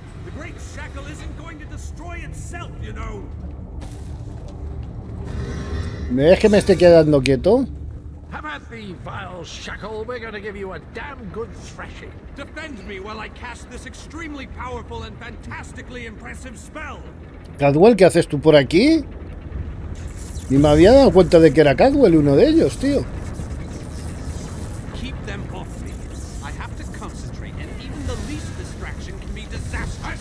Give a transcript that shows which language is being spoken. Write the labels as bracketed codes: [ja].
[en] The great shackle isn't going to destroy itself, you know. [es] ¿Me ves que me esté quedando quieto? [en] Vile shackle, we're gonna give you a damn good thrashing. Defend me while I cast this extremely powerful and fantastically impressive spell. [es] Cadwell, ¿qué haces tú por aquí? Ni me había dado cuenta de que era Cadwell uno de ellos, tío. [en] Keep them off me. I have to concentrate, and even the least distraction can be disastrous.